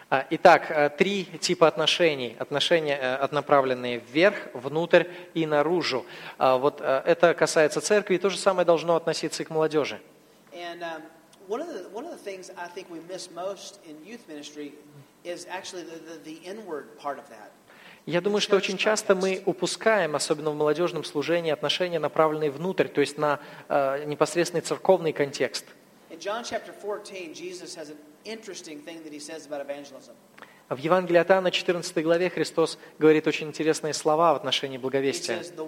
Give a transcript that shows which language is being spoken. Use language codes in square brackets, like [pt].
[ru] Итак, три типа отношений. Отношения, направленные вверх, внутрь и наружу. Вот это касается церкви, и то же самое должно относиться и к молодежи. [en] And, one of the things I think we miss most in youth ministry is actually the inward part of that. [ru] Я думаю, что очень часто мы упускаем, особенно в молодежном служении, отношения, направленные внутрь, то есть на непосредственный церковный контекст. [en] In John chapter 14, Jesus has an interesting thing that he says about evangelism. [ru] В Евангелии от Иоанна, 14 главе, Христос говорит очень интересные слова в отношении благовестия.